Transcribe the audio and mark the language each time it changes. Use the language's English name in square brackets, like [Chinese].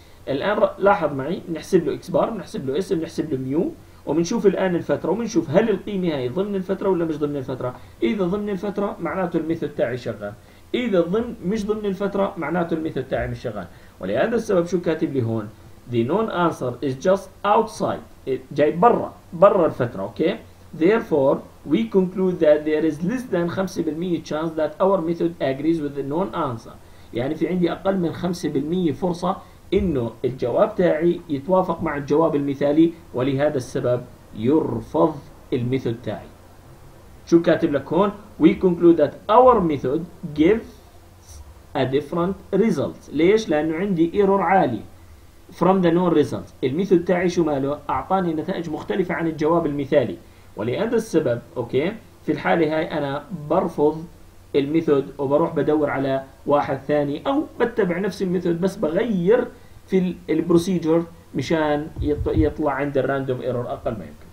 [Arabic] الان لاحظ معي، بنحسب له اكس بار، بنحسب له اس، بنحسب له ميو، وبنشوف الان الفتره، وبنشوف هل القيمه هاي ضمن الفتره ولا مش ضمن الفتره. اذا ضمن الفتره معناته الميثود تاعي شغال، اذا ضمن مش ضمن الفتره معناته الميثود تاعي مش شغال. ولهذا السبب شو كاتب لي هون؟ [English] The known answer is just outside. It [Arabic] جاي برا، برا الفترة، okay? [English] Therefore, we conclude that there is less than 5% chance that our method agrees with the known answer. [Arabic] يعني في عندي أقل من 5% فرصة إنه الجواب تاعي يتوافق مع الجواب المثالي، ولهذا السبب يرفض الميثود تاعي. شو كاتب لك هون؟ [English] We conclude that our method gives a different result. [Arabic] ليش؟ لأنه عندي error عالي. [English] From the known results. [Arabic] الميثود تاعي شو ماله؟ أعطاني نتائج مختلفة عن الجواب المثالي. ولهذا السبب، أوكي، في الحالة هاي أنا برفض الميثود وبروح بدور على واحد ثاني، او بتبع نفس الميثود بس بغير في البروسيجر مشان يطلع عند الراندوم ايرور اقل ما يمكن.